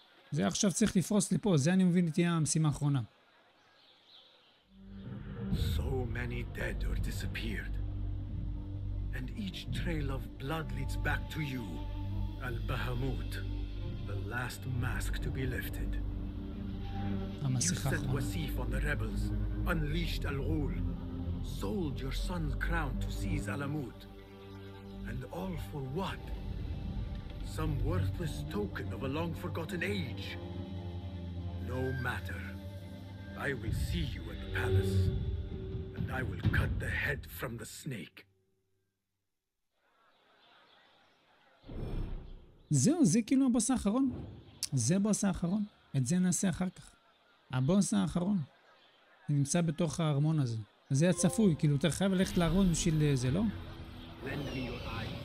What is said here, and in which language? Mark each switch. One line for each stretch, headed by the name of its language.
Hebrew: זה עכשיו צריך לפרוס לי פה, זה אני מבין את תהיה המשימה האחרונה.
English: So many dead or disappeared. And each trail of blood leads back to you. Al-Bahamut, the last mask to be lifted.
Hebrew: המסיכה האחרונה.
English: You set Wasif on the rebels, unleashed Al-Ghul. Sold your son's crown to seize Alamut. And all for what? Some worthless token of a long forgotten age. No matter. I will see you at the palace. And I will cut the head from the snake.
Hebrew: זהו, זה כאילו הבוס האחרון. זה הבוס האחרון. את זה נעשה אחר כך. הבוס האחרון. אני נמצא בתוך הארמון הזה. זה הצפוי, כאילו אתה חייב ללכת לארמון בשביל זה, לא?
English: Lend me your eye.